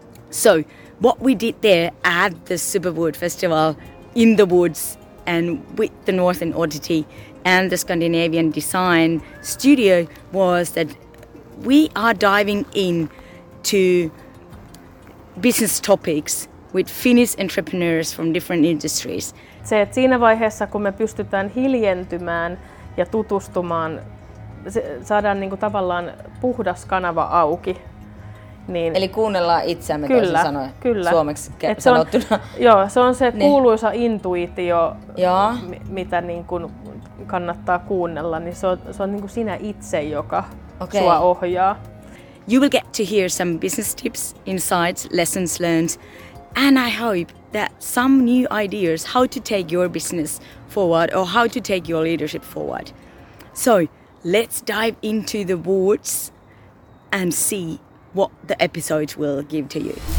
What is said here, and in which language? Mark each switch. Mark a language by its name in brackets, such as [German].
[English] So what we did there at the Superwood Festival in the woods and with the Northern Oddity and the Scandinavian Design Studio was that we are diving in to business topics with Finnish entrepreneurs from different industries. [Finnish] Se, että siinä vaiheessa, kun me pystytään hiljentymään ja tutustumaan, saadaan niin kuin tavallaan puhdas kanava auki. Niin, eli kuunnellaan itseämme, kyllä, toisin sanoen, kyllä. Suomeksi se sanottuna. On, joo, se on se niin. Kuuluisa intuitio, mitä niin kuin kannattaa kuunnella. Niin se on niin kuin sinä itse, joka sua ohjaa. [English] You will get to hear some business tips, insights, lessons learned. And I hope that some new ideas how to take your business forward or how to take your leadership forward. So let's dive into the woods and see what the episode will give to you.